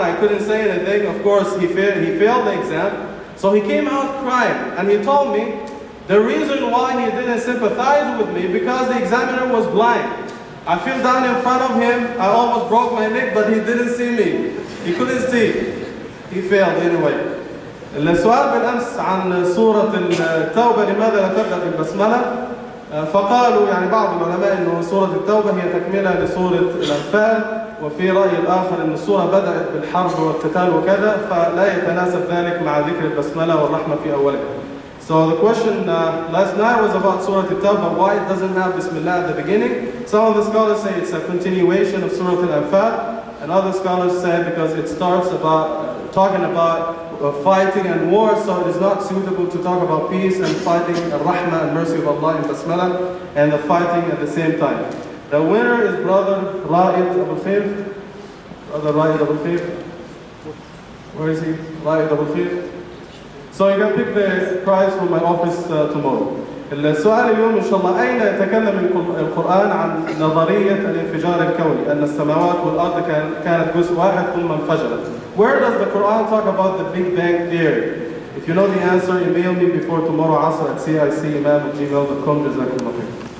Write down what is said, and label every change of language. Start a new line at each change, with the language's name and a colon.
English: I couldn't say anything. Of course, he failed the exam. So he came out crying, and he told me the reason why he didn't sympathize with me, because the examiner was blind. I fell down in front of him. I almost broke my neck, but he didn't see me. He couldn't see. He failed anyway.
Arabic: السؤال بالأمس عن سورة التوبة، لماذا لا تبدأ بالبسملة؟ فقالوا يعني بعض العلماء إنه سورة التوبة هي تكملة لسورة الأنفال، وفي رأي الآخر إن السورة بدأت بالحرب والقتال وكذا، فلا يتناسب ذلك مع ذكر البسملة والرحمة في أولها.
English: So the question last night was about سورة التوبة. Why it doesn't have Bismillah at the beginning? Some of the scholars say it's a continuation of سورة الأنفال, and other scholars say because it starts about talking about fighting and war, so it is not suitable to talk about peace and fighting الرحمة and mercy of Allah in Basmala and the fighting at the same time. The winner is Brother Ra'id Abu Khair. Brother Ra'id Abu Khair. Where is he? Ra'id Abu Khair. So you can pick the prize from my office tomorrow.
Arabic: السؤال اليوم إن شاء الله، أين يتكلم القرآن عن نظرية الانفجار الكوني، أن السماوات والأرض كانت جزء واحد ثم انفجرت؟ Where does the Quran talk about the Big Bang Theory?
English: If you know the answer, email me before tomorrow عصر @cicimam@gmail.com. جزاكم الله خير.